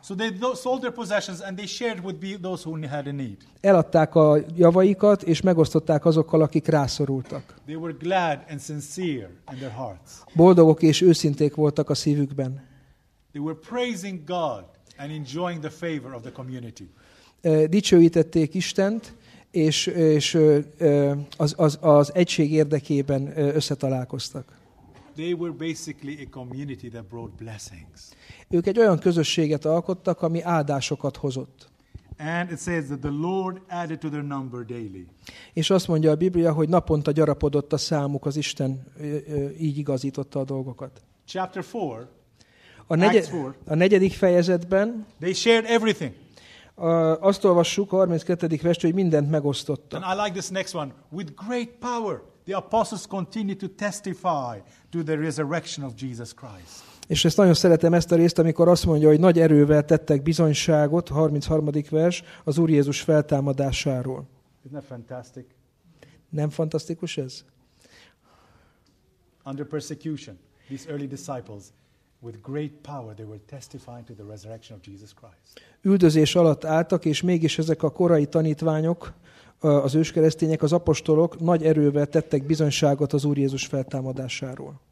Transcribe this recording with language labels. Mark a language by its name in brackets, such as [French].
[English] So they sold their possessions and they shared with those who had a need. [Hungarian] Eladták a javaikat és megosztották azokkal, akik rászorultak. [English] They were glad and sincere in their hearts. [Hungarian] Boldogok és őszinték voltak a szívükben. [English] They were praising God and enjoying the favor of the community. [Hungarian] Dicsőítették Istent és az egység érdekében összetalálkoztak. [English] They were basically a community that brought blessings. [Hungarian] Ők egy olyan közösséget alkottak, ami áldásokat hozott. [English] And it says that the Lord added to their number daily. [Hungarian] És azt mondja a Biblia, hogy naponta gyarapodott a számuk, az Isten így igazította a dolgokat. [English] Chapter 4. [Hungarian] A negyedik fejezetben [English] they shared everything. [Hungarian] Azt olvassuk a 32. verset, hogy mindent megosztottak. [English] And I like this next one. With great power the apostles continued to testify to the resurrection of Jesus Christ. [Hungarian] És ezt nagyon szeretem ezt a részt, amikor azt mondja, hogy nagy erővel tettek bizonyságot, 33. vers, az Úr Jézus feltámadásáról. [English] Isn't that fantastic? [Hungarian] Nem fantasztikus ez? [English] Under persecution, these early disciples with great power they were testifying to the resurrection of Jesus Christ. [Hungarian] Üldözés alatt álltak, és mégis ezek a korai tanítványok, az őskeresztények, az apostolok nagy erővel tettek bizonyságot az Úr Jézus feltámadásáról.